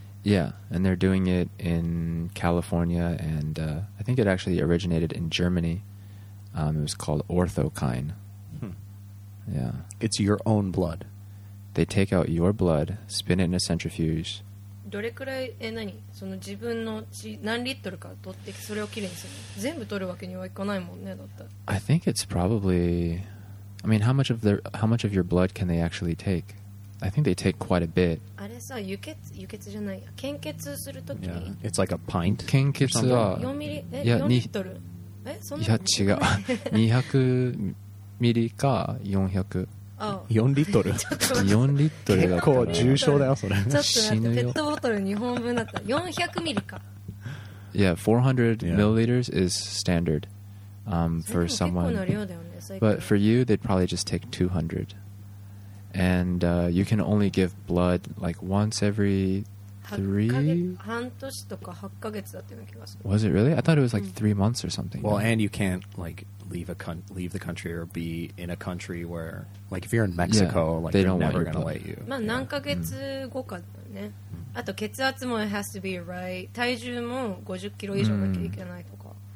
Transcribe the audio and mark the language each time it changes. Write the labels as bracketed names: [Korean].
[English] Yeah, and they're doing it in California, and I think it actually originated in Germany. It was called Orthokine. Yeah, it's your own blood. They take out your blood, spin it in a centrifuge. [Japanese] どれくらい、え、何？その自分の血、何リットルか取って、それをきれいにするの？全部取るわけにはいかないもんね、だったら。 [English] I think it's probably... I mean, how much of your blood can they actually take? I think they take quite a bit. [Japanese] あれさ、輸血じゃない。献血するとき。 [English] Yeah. It's like a pint? [Japanese] 献血は 4ミリ、え、4リットル。え、そんなに？いや、違う。200ミリか400。 Oh. 4リットル 4リットルだった、ね、結構重症だよそれ。ちょっと待って、ペットボトル2本分だった。 400ミリか。 [English] Yeah, 400 milliliters is standard for someone、ね、 But for you, they'd probably just take 200. And you can only give blood like once every 3 [Japanese] 半年とか8ヶ月だったような気がする。 [English] Was it really? I thought it was like 3 months or something. Well, and you can't likeleave the country or be in a country where, like, if you're in Mexico, yeah, like, they're never going to let you. [Japanese] まあ何ヶ月後かだね。あと血圧も [English] it has to be right. [Japanese] 体重も50キロ以上だけいけないとか。